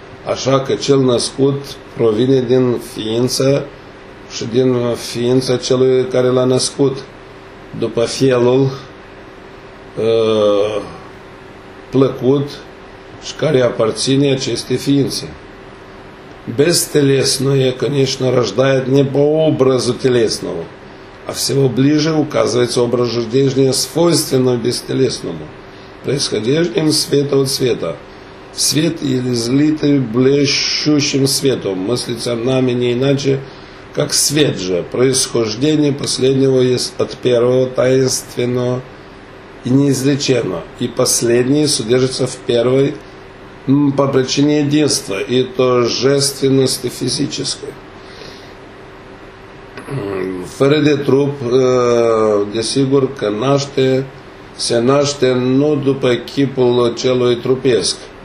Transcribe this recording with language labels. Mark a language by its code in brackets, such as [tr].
[ro] Așa că cel născut provine din ființă și din ființa celui care l-a născut. După felul plăcut și care aparține acestei ființe. [ru] Безтелесное, конечно, рождает не по образу телесному, а всего ближе указывается образ рождения, свойственного бестелесному, происходящим света от света. Свет или злитый блещущим светом, мыслится нами не иначе, как свет же. Происхождение последнего есть от первого таинственного и неизреченного, и последнее содержится в первой по причине единства и торжественности физической. [ro] Фără de trup, desigur că naște, se naște nu după chipul celui trupesc.